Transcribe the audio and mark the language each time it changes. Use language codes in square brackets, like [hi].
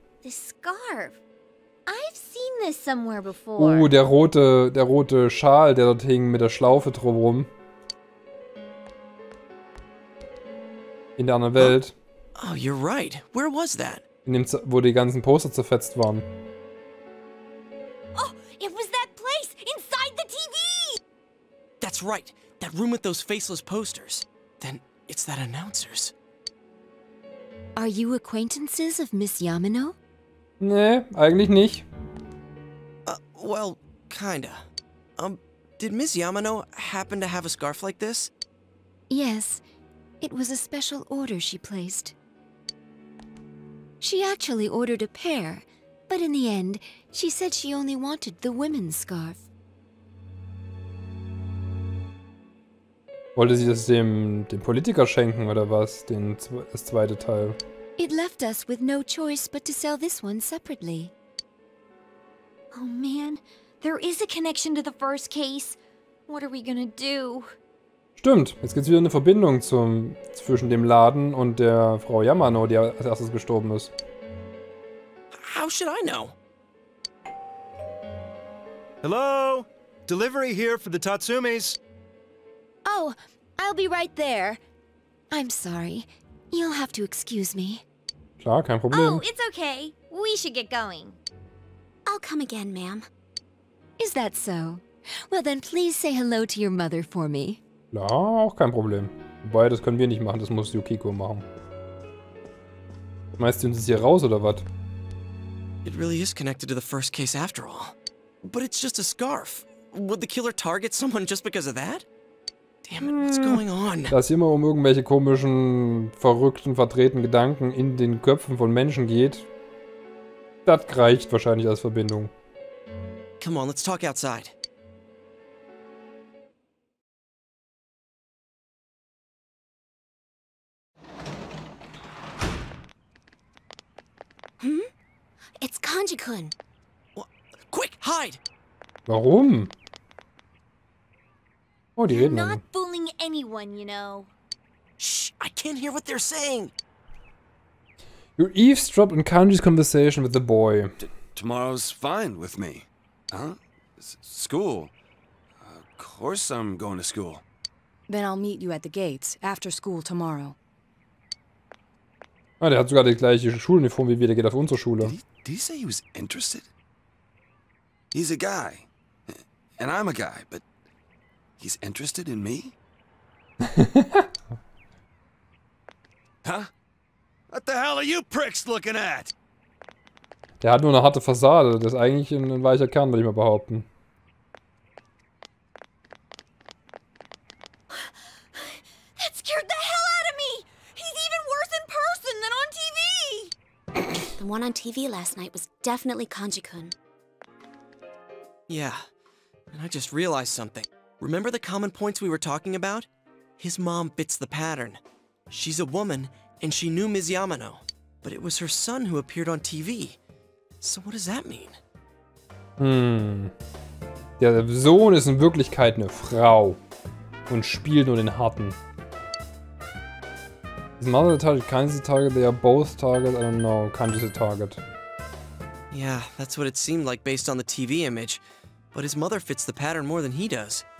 [en] The scarf. I've seen this somewhere before. [de] Oh, der rote Schal, der dort hing mit der Schlaufe drumherum. In der anderen Welt. [en] Oh, you're right. Where was that? [de] In dem wo die ganzen Poster zerfetzt waren. [en] Oh, it was that place inside the TV. That's right. That room with those faceless posters. Then it's that announcers. Are you acquaintances of Miss Yamino? [de] Nee, eigentlich nicht. [en] Well, kinda. Did Miss Yamino happen to have a scarf like this? Yes. It was a special order she placed. She actually ordered a pair, but in the end, she said she only wanted the women's scarf. [de] Wollte sie das dem Politiker schenken oder was? Das zweite Teil? [en] It left us with no choice but to sell this one separately. Oh man, there is a connection to the first case. What are we gonna do? [de] Stimmt, jetzt gibt's wieder eine Verbindung zwischen dem Laden und der Frau Yamano, die als erstes gestorben ist. [en] How should I know? Hello? Delivery here for the Tatsumis. Oh, I'll be right there. I'm sorry. You'll have to excuse me. [de] Klar, kein Problem. [en] Oh, it's okay. We should get going. I'll come again, ma'am. Is that so? Well then, please say hello to your mother for me. [de] Ja, auch kein Problem. Wobei, das können wir nicht machen, das muss Yukiko machen. Meinst du, sie ist hier raus, oder was? [en] It really is connected to the first case after all. But it's just a scarf. Would the killer target someone just because of that? Damn it, what's going on? [de] Da es immer um irgendwelche komischen, verrückten, verdrehten Gedanken in den Köpfen von Menschen geht, das reicht wahrscheinlich als Verbindung. [en] Come on, let's talk outside. Hm? It's Kanji-kun. What? Quick, hide! [de] Warum? Oh, die reden. [en] You're not fooling anyone, you know. Shh, I can't hear what they're saying. You eavesdropped on Kanji's conversation with the boy. Tomorrow's fine with me. Huh? School? Of course I'm going to school. Then I'll meet you at the gates after school tomorrow. [de] Ah, der hat sogar die gleiche Schuluniform wie wir, der geht auf unsere Schule. [en] Did he say he was interested? He's a guy. And I'm a guy, but he's interested in me? Huh? What the hell are you pricks looking at? [de] Der hat nur eine harte Fassade, das ist eigentlich ein weicher Kern, würde ich mal behaupten. [en] That scared the hell out of me! He's even worse in person than on TV! The one on TV last night was definitely Kanji-kun. Yeah, and I just realized something. Remember the common points we were talking about? His mom fits the pattern. She's a woman, and she knew Ms. Yamano. But it was her son who appeared on TV. So what does that mean? [de] Der Sohn ist in Wirklichkeit eine Frau und spielt nur den Harten. [en] His mother the target, Kanji's the target, they are both target, I don't know, Kanji's the target. Yeah, that's what it seemed like based on the TV image. But his mother fits the pattern more than he does.